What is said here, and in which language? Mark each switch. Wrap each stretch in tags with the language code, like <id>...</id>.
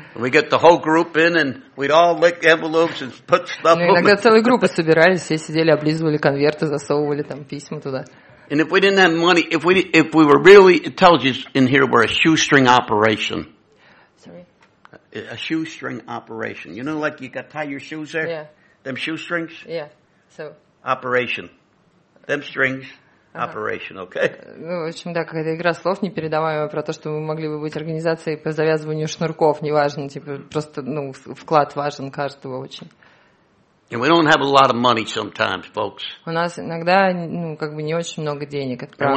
<en>We get the whole group in, and we'd all lick envelopes and put stuff</en> <ru>Ну, иногда целые группы собирались, все сидели, облизывали конверты, засовывали там письма туда.</ru> <en>And if we didn't have money, if we were really, it tells you in here we're a shoestring operation. Sorry? A shoestring operation. You know, like you got to tie your shoes there? Yeah. Them shoestrings? Yeah. So... Operation. Them strings. Operation, okay?</en> <ru>Ну, в общем, да, какая-то игра слов непередаваемая про то, что мы могли бы быть организацией по завязыванию шнурков, неважно, типа, просто, ну, вклад важен каждого очень.</ru> <en>And we don't have a lot of money sometimes, folks.</en> <ru>У нас иногда, ну, как бы не очень много денег, это правда.</ru>